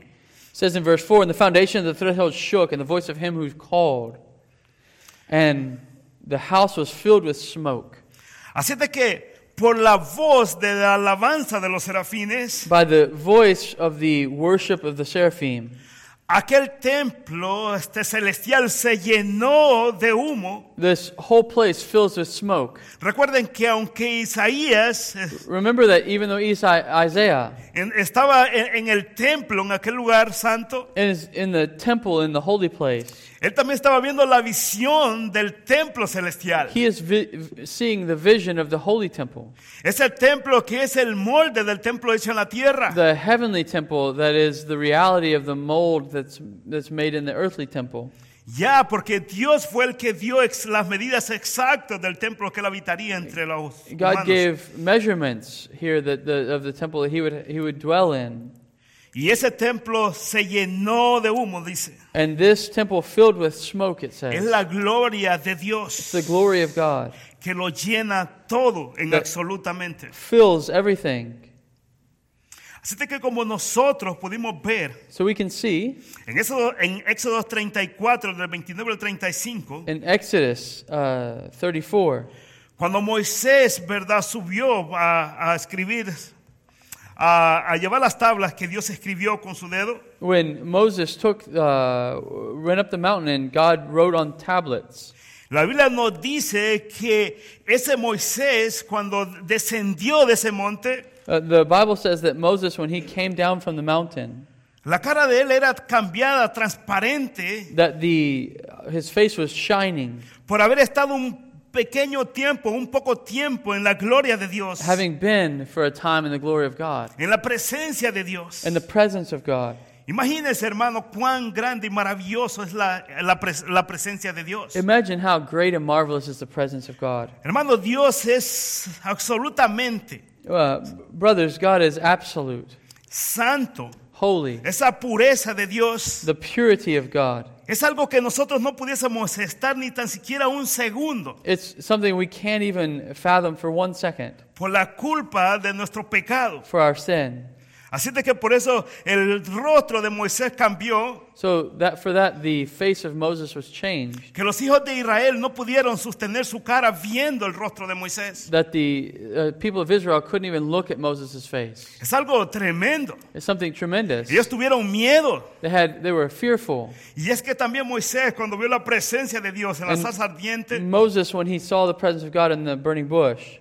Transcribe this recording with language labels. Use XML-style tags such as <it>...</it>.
<en>It says in verse 4, and the foundation of the threshold shook, and the voice of him who called, and the house was filled with smoke.</en> <es>Así de que por la voz de la alabanza de los serafines,</es> <en>by the voice of the worship of the seraphim,</en> <es>aquel templo celestial se llenó de humo.</es> <en>This whole place fills with smoke.</en> <es>Recuerden que aunque Isaías,</es> <en>remember that even though Isaiah</en> <es>estaba en el templo, en aquel lugar santo,</es> <en>in the temple, in the holy place,</en> <es>él también estaba viendo la visión del templo celestial.</es> <en>He is seeing the vision of the holy temple.</en> <es>Es el templo que es el molde del templo hecho en la tierra.</es> <en>The heavenly temple that is the reality of the mold that's made in the earthly temple.</en> <es>Ya, porque Dios fue el que dio las medidas exactas del templo que él habitaría entre los humanos.</es> <en>God gave measurements here of the temple that he would dwell in.</en> <es>Y ese templo se llenó de humo, dice.</es> <en>And this temple filled with smoke, it says.</en> <es>Es la gloria de Dios.</es> <en>It's the glory of God.</en> <es>Que lo llena todo en absolutamente.</es> <en>Fills everything.</en> <es>Así que como nosotros pudimos ver,</es> <en>so we can see,</en> <es>en Éxodo, en Éxodo 34, del 29 al 35,</es> <en>in Exodus 34,</en> <es>cuando Moisés, verdad, subió a escribir, a llevar las tablas que Dios escribió con su dedo,</es> <en>when Moses took, ran up the mountain and God wrote on tablets,</en> <es>la Biblia nos dice que ese Moisés, cuando descendió de ese monte,</es> <en>The Bible says that Moses, when he came down from the mountain,</en> <es>la cara de él era cambiada, transparente,</es> <en>that his face was shining,</en> <es>por haber estado un pequeño tiempo, un poco tiempo, en la gloria de Dios,</es> <en>having been for a time in the glory of God,</en> <es>en la presencia de Dios,</es> <en>in the presence of God.</en> <es>Imagínese, hermano, cuán grande y maravilloso es la presencia de Dios.</es> <en>Imagine how great and marvelous is the presence of God.</en> <es>Hermano, Dios es absolutamente.</es> <en>Brothers, God is absolute.</en> <es>Santo.</es> <en>Holy.</en> <es>Esa pureza de Dios.</es> <en>The purity of God.</en> <es>Es algo que nosotros no pudiésemos estar ni tan siquiera un segundo.</es> <en>It's something we can't even fathom for one second.</en> <es>Por la culpa de nuestro pecado.</es> <en>For our sin.</en> <es>Así de que por eso el rostro de Moisés cambió.</es> <en>So that for that the face of Moses was changed.</en> <es>Que los hijos de Israel no pudieron sostener su cara viendo el rostro de Moisés.</es> <en>That the people of Israel couldn't even look at Moses' face.</en> <es>Es algo tremendo.</es> <en>It's something tremendous.</en> <es>Ellos tuvieron miedo.</es> <en>They were fearful.</en> <es>Y es que también Moisés cuando vio la presencia de Dios en la zarza ardiente.</es> <en>Moses, when he saw the presence of God in the burning bush,</en>